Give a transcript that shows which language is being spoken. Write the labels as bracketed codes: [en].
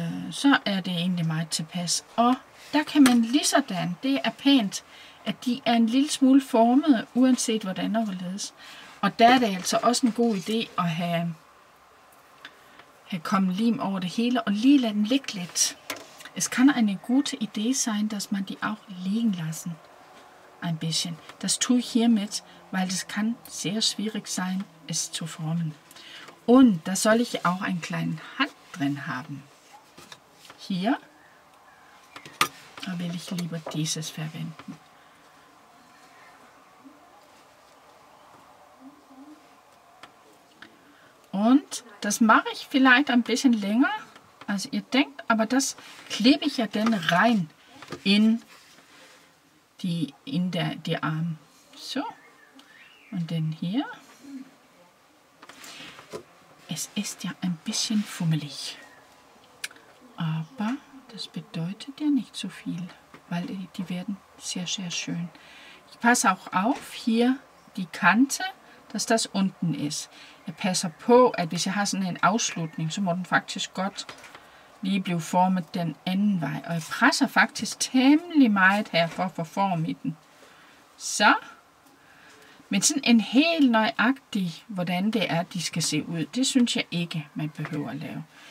[da] Så er det egentlig meget tilpas. Og der kan man ligesådan, det er pænt, at de er en lille smule formet, uanset hvordan og hvorledes. Og der er det altså også en god idé at have kommet lim over det hele og lige lade den ligge lidt. [de] Es kann eine gute Idee sein, dass man die auch liegen lassen. Ein bisschen. Das tue ich hiermit, weil es kann sehr schwierig sein, es zu formen. Und da soll ich auch einen kleinen Hand, drin haben. Hier will ich lieber dieses verwenden. Und das mache ich vielleicht ein bisschen länger, als ihr denkt, aber das klebe ich ja dann rein in die Arme. So. Und dann hier. Es ist ja ein bisschen fummelig. Aber das bedeutet ja nicht so viel, weil die werden sehr, sehr schön. Ich passe auch auf, hier die Kante, dass das unten ist. [da] Jeg passer på, at hvis jeg har sådan en afslutning, så må den faktisk godt lige blive formet den anden vej. Og jeg presser faktisk temmelig meget her for at få form i den. Så. Men sådan en helt nøjagtig, hvordan det er, de skal se ud, det synes jeg ikke, man behøver at lave.